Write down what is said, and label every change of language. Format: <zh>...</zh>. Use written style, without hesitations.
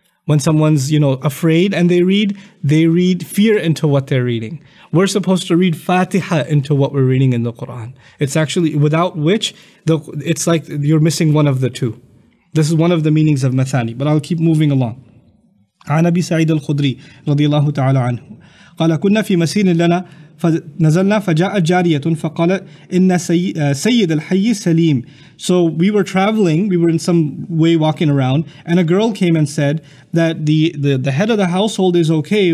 <en>When someone's, you know, afraid and they read fear into what they're reading. We're supposed to read Fatiha into what we're reading in the Quran. It's actually, without which, it's like you're missing one of the two. This is one of the meanings of Mathani, but I'll keep moving along.</en> <ar>عن أبي سعيد الخدري رضي الله تعالى عنه قال كنا في مسير لنا فنزلنا فجاءت جارية فقال إن سيد الحي سليم.</ar> <en>So we were traveling, we were in some way walking around, and a girl came and said that the head of the household is okay.</en>